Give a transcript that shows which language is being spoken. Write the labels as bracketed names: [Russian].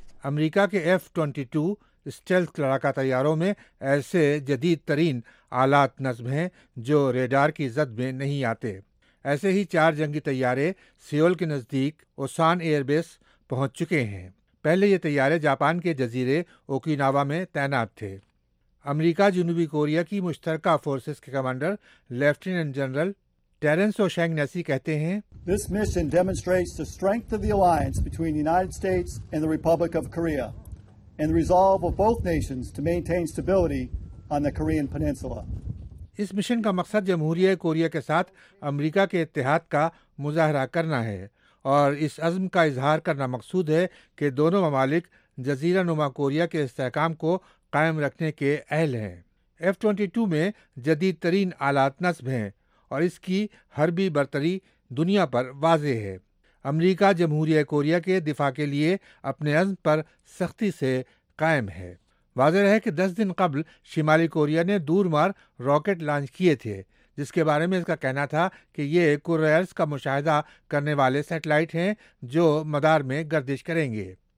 [Urdu] امریکہ کے F-22 stealth لڑاکا طیاروں میں ایسے جدید ترین آلات نصب ہیں جو ریڈار کی زد میں نہیں آتے۔ ایسے ہی 4 جنگی طیارے سیول کے نزدیک اوسان ایئر بیس پہنچ چکے ہیں۔ پہلے یہ طیارے جاپان کے جزیرے اوکیناوا میں تعینات تھے۔ امریکہ جنوبی کوریا کی مشترکہ فورسز کے کمانڈر لیفٹیننٹ جنرل ٹیرنس او شینگ نیسی کہتے ہیں، [English] This mission demonstrates the strength of the alliance between the United States and the Republic of Korea and the resolve of both nations to maintain stability on the Korean Peninsula۔ [Urdu] اس mission کا مقصد جمہوریہ Korea کے ساتھ امریکہ کے اتحاد کا مظاہرہ کرنا ہے اور اس عزم کا اظہار کرنا مقصود ہے کہ دونوں ممالک جزیرہ نما کوریا کے استحکام کو قائم رکھنے کے اہل ہیں۔ F-22 میں جدید ترین آلات نصب ہیں اور اس کی حربی برتری دنیا پر واضح ہے۔ امریکہ جمہوریہ کوریا کے دفاع کے لیے اپنے عزم پر سختی سے قائم ہے۔ واضح رہے کہ 10 دن قبل شمالی کوریا نے دور مار راکٹ لانچ کیے تھے جس کے بارے میں اس کا کہنا تھا کہ یہ کوریئرز کا مشاہدہ کرنے والے سیٹلائٹ ہیں جو مدار میں گردش کریں گے۔